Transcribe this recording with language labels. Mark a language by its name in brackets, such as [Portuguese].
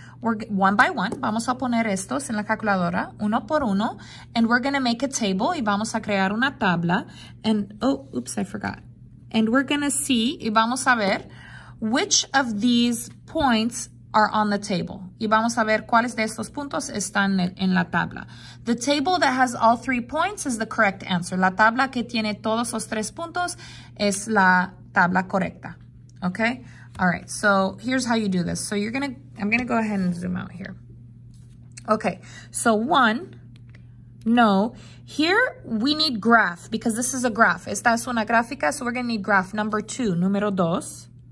[English] We're one by one, vamos a poner estos en la calculadora, uno por uno, and we're gonna make a table, y vamos a crear una tabla, and, oh, oops, I forgot. And we're gonna see, y vamos a ver, which of these points are on the table. [Spanish] Y vamos a ver cuáles de estos puntos están en la tabla. [English] The table that has all three points is the correct answer. [Spanish] La tabla que tiene todos los tres puntos es la tabla correcta. [English] Okay? All right. So here's how you do this. So you're going to, I'm going to go ahead and zoom out here. Okay. So one, no. Here we need graph because this is a graph. Esta es una gráfica. So we're going to need graph number two, número dos.